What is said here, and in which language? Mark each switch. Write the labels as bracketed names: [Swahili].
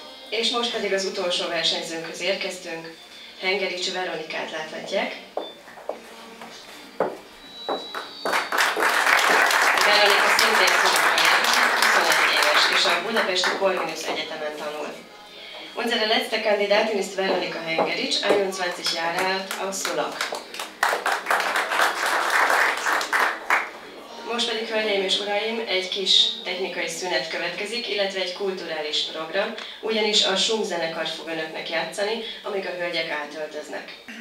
[Hungarian] És most pedig az utolsó versenyzőnkhöz érkeztünk. Hengerics Veronikát láthatják. Veronika szintén szóval éves, és a Budapesti Corvinus Egyetemen tanul. [German] Unsere letzte Kandidatin ist Veronika Hengerics, 21 Jahre alt, aus Szulak. [Hungarian] Most pedig, hölgyeim és uraim, egy kis technikai szünet következik, illetve egy kulturális program, ugyanis a Schunk zenekar fog önöknek játszani, amíg a hölgyek átöltöznek.